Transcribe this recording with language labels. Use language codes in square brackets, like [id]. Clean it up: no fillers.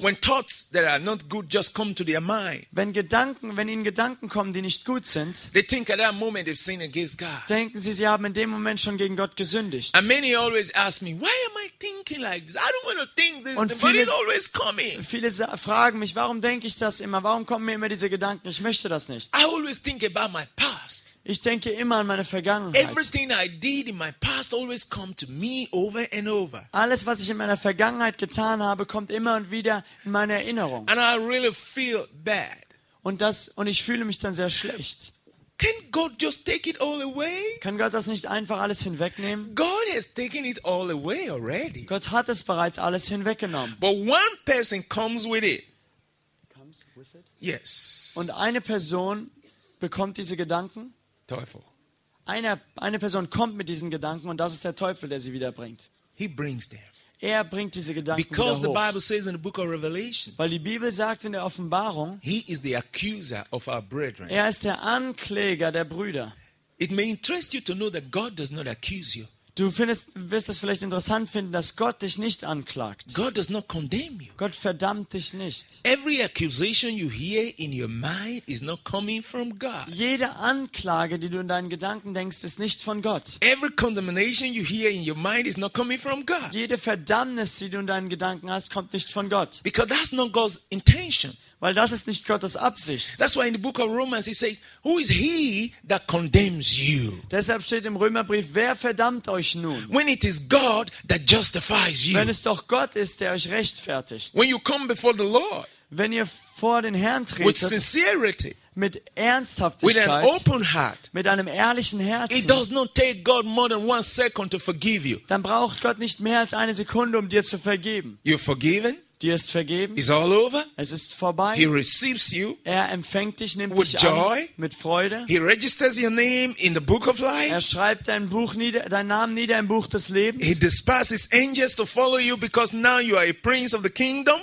[en] When thoughts that are not good just come to their mind. [de] Wenn ihnen Gedanken kommen, die nicht gut sind, [en] they think at that moment they've sinned against God. [de] Denken sie, sie haben in dem Moment schon gegen Gott gesündigt. [en] And many always ask me, why am I thinking like this? I don't want to think this, [de] und [en] but it's always coming. [de] Viele fragen mich, warum denke ich das immer? Warum kommen mir immer diese Gedanken? Ich möchte das nicht. [en] I always think about my past. [de] Ich denke immer an meine Vergangenheit. [en] Everything I did in my past always come to me over and over. [de] Alles, was ich in meiner Vergangenheit getan habe, kommt immer und wieder in meine Erinnerung. [en] And I really feel bad. [de] Und ich fühle mich dann sehr schlecht. [en] Can God just take it all away? [de] Kann Gott das nicht einfach alles hinwegnehmen? [en] God has taken it all away already. [de] Gott hat es bereits alles hinweggenommen. [en] But one person comes with it. Yes. [de] Und eine Person bekommt diese Gedanken. Teufel. Eine Person kommt mit diesen Gedanken und das ist der Teufel, der sie wiederbringt. [en] He brings them. [de] Er bringt diese Gedanken [en] because [de] wieder hoch. [en] The Bible says in the book of Revelation, [de] weil die Bibel sagt in der Offenbarung, [en] he is the accuser of our brethren. [de] Er ist der Ankläger der Brüder. [en] It may interest you to know that God does not accuse you. [de] Du wirst es vielleicht interessant finden, dass Gott dich nicht anklagt. [en] God does not condemn you. [de] Gott verdammt dich nicht. [en] Every accusation you hear in your mind is not coming from God. [de] Jede Anklage, die du in deinen Gedanken denkst, ist nicht von Gott. [en] Every condemnation you hear in your mind is not coming from God. [de] Jede Verdammnis, die du in deinen Gedanken hast, kommt nicht von Gott. [en] Because that's not God's intention. [de] Weil das ist nicht Gottes Absicht. [en] That's why in the book of Romans he says, who is he that condemns you? [de] Deshalb steht im Römerbrief, wer verdammt euch nun? [en] When it is God that justifies you. [de] Wenn es doch Gott ist, der euch rechtfertigt. [en] When you come before the Lord. [de] Wenn ihr vor den Herrn tretet. [en] With sincerity. [de] Mit Ernsthaftigkeit. [en] With an open heart. [de] Mit einem ehrlichen Herzen. [en] It does not take God more than 1 second to forgive you. [de] Dann braucht Gott nicht mehr als eine Sekunde, um dir zu vergeben. [en] You're forgiven. [de] Dir ist vergeben. [en] It's all over. [de] Es ist vorbei. [en] He receives you. [de] Er empfängt dich, nimmt [en] with [de] dich [en] joy. [de] An mit Freude. [en] He registers your name in the book of life. [de] Er schreibt dein Namen nieder im Buch des Lebens. [en] He dispatches angels to follow you because now you are a prince of the kingdom.